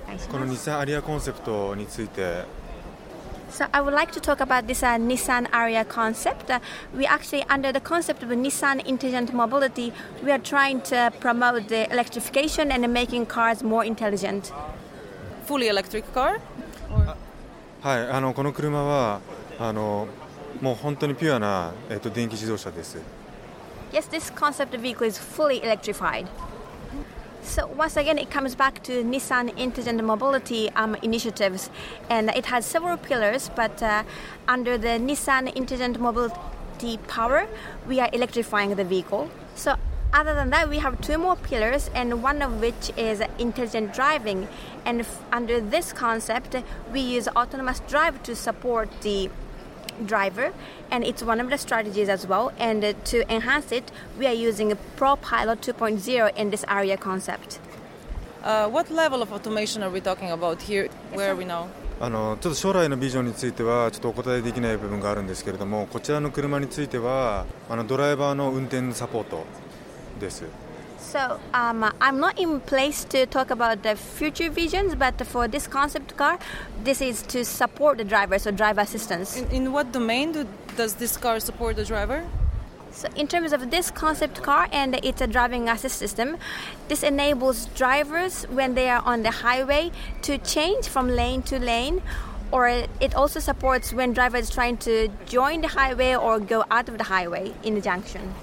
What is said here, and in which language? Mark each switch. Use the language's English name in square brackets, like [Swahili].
[Japanese] この Nissan Ariya concept について... [English] So I would like to talk about this Nissan Ariya concept. We actually, under the concept of Nissan Intelligent Mobility, we are trying to promote the electrification and making cars more intelligent. Fully electric car? [Japanese] はい、あのこの車はあのもう本当にピュアな電気自動車です。 [English] Yes, this concept vehicle is fully electrified. So once again, it comes back to Nissan Intelligent Mobility initiatives, and it has several pillars, but under the Nissan Intelligent Mobility power, we are electrifying the vehicle. So other than that, we have two more pillars, and one of which is intelligent driving. And under this concept, we use autonomous drive to support the driver, and it's one of the strategies as well, and to enhance it we are using a ProPilot 2.0 in this Ariya concept. What level of automation are we talking about here? Where are we now? [Japanese] あのちょっと将来のビジョンについてはちょっとお答えできない部分があるんですけれども、こちらの車についてはあのドライバーの運転サポートです。 [English] So, I'm not in place to talk about the future visions, but for this concept car, this is to support the driver, so drive assistance. In what domain does this car support the driver? So, in terms of this concept car and it's a driving assist system, this enables drivers when they are on the highway to change from lane to lane, or it also supports when drivers trying to join the highway or go out of the highway in the junction.